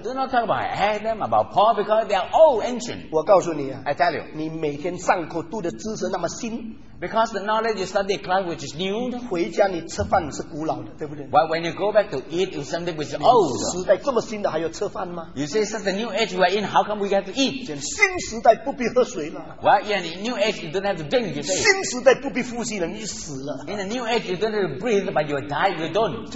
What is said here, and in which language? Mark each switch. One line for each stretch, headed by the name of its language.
English: Do not talk about Adam, about Paul, because they are all ancient.
Chinese: 我告诉你啊,
English: I tell you,
Chinese: 你每天上课读的知识那么新,
English: because the knowledge you study in class which is new.
Chinese: 回家你吃饭是古老的，对不对?
English: Why, when you go back to eat, it's something which is old.
Chinese: 时代这么新的还要吃饭吗?
English: You say such a new age we are in, how come we have to eat?
Chinese: 新时代不必喝水了。
English: Why, in a new age you don't have to drink, you say.
Chinese: 新时代不必呼吸了，你死了。
English: In a new age you don't have to breathe, but you die, you don't.